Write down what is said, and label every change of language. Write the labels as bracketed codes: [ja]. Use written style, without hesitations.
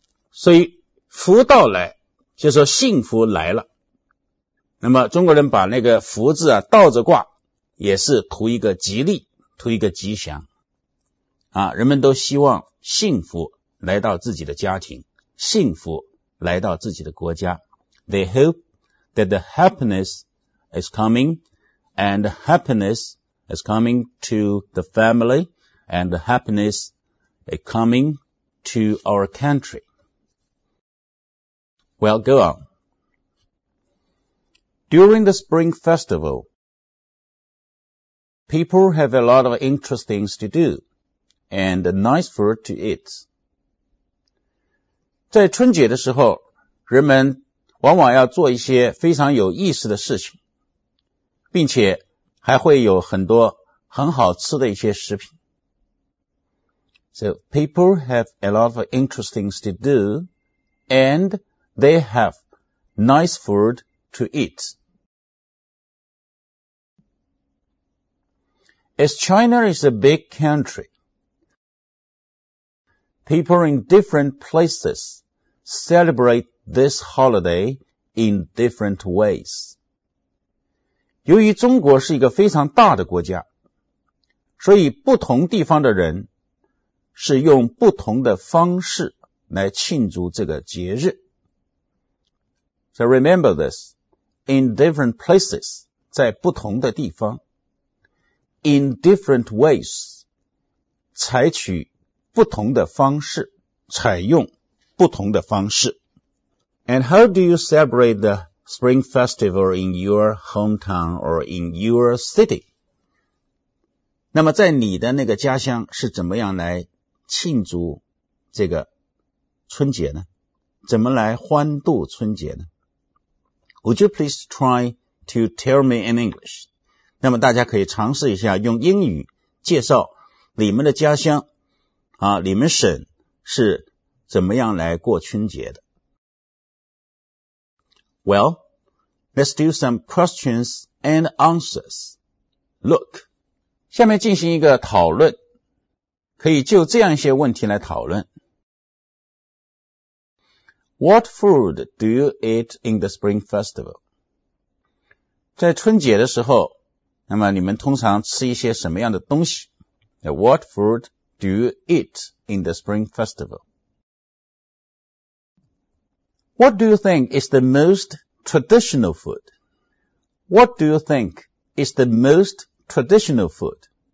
[zh] 所以福到来就是说幸福来了。那么中国人把那个福字啊倒着挂也是图一个吉利，图一个吉祥。啊，人们都希望幸福来到自己的家庭，幸福来到自己的国家。 [en] They hope that the happiness is coming and happiness is coming to the family and the happinesscoming to our country. Well, go on. During the Spring Festival, people have a lot of interesting things to do and nice food to eat. [zh] 在春节的时候，人们往往要做一些非常有意思的事情，并且还会有很多很好吃的一些食品。 [en] So, people have a lot of interesting things to do, and they have nice food to eat. As China is a big country, people in different places celebrate this holiday in different ways. [zh] 由于中国是一个非常大的国家，所以不同地方的人是用不同的方式来庆祝这个节日。 [en] So remember this, in different places, [zh] 在不同的地方 [en] in different ways, [zh] 采取不同的方式，采用不同的方式。 [en] And how do you celebrate the Spring Festival in your hometown or in your city? [zh] 那么在你的那个家乡是怎么样来庆祝这个春节呢？怎么来欢度春节呢？ [en] Would you please try to tell me in English? [zh] 那么大家可以尝试一下用英语介绍你们的家乡啊，你们省是怎么样来过春节的。 [en] Well, let's do some questions and answers. [zh] Look, 下面进行一个讨论，可以就这样一些问题来讨论。 [en] What food do you eat in the Spring Festival? [zh] 在春节的时候，那么你们通常吃一些什么样的东西？ [en] What food do you eat in the Spring Festival? What do you think is the most traditional food? What do you think is the most traditional food?